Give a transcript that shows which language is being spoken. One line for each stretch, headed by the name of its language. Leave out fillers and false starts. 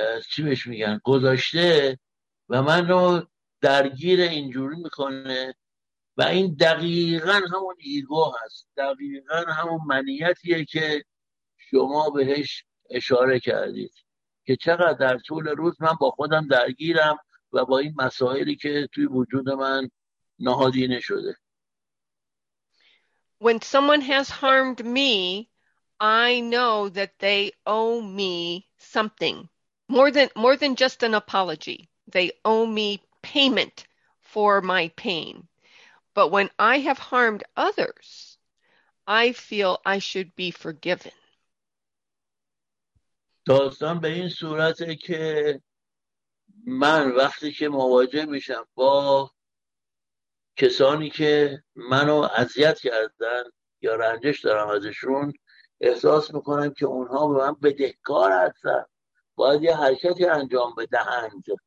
Persian: چی بهش میگن گذاشته و منو درگیر اینجوری میکنه، و این دقیقا همون ایگو هست، دقیقا همون منیتیه که شما بهش اشاره کردید که چقدر در طول روز من با خودم درگیرم و با این مسائلی که توی وجود من نهادینه شده.
English: When someone has harmed me, I know that they owe me something. More than just an apology. They owe me payment for my pain. But when I have harmed others, I feel I should be forgiven.
Persian: داستان به این صورته که من وقتی که مواجه میشم با کسانی که منو اذیت کردن یا رنجش دارم ازشون احساس میکنم که اونها به من بدهکار هستن، باید یه حرکتی انجام بدهند،